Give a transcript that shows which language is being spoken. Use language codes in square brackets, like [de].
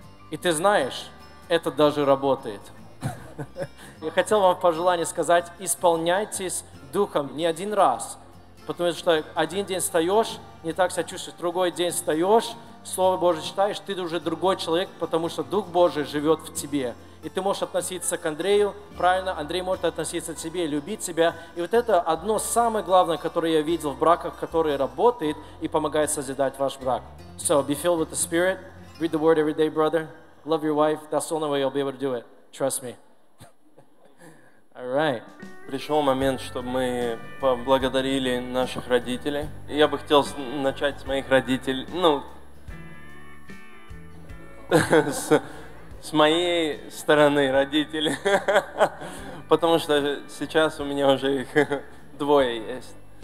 [ru] И ты знаешь, это даже работает. Я хотел вам пожелание сказать, исполняйтесь Духом не один раз, потому что один день встаешь, не так себя чувствуешь, другой день встаешь, Слово Божие читаешь, ты уже другой человек, потому что Дух Божий живет в тебе. И ты можешь относиться к Андрею правильно, Андрей может относиться к тебе, любить тебя. И вот это одно самое главное, которое я видел в браках, которое работает и помогает созидать ваш брак. [en] So, be filled with the Spirit, read the Word every day, brother. Love your wife, that's the only way you'll be able to do it. Trust me. All right. [ru] Пришел момент, чтобы мы поблагодарили наших родителей. И я бы хотел начать с моих родителей, с моей стороны родители, потому что сейчас у меня уже их двое есть.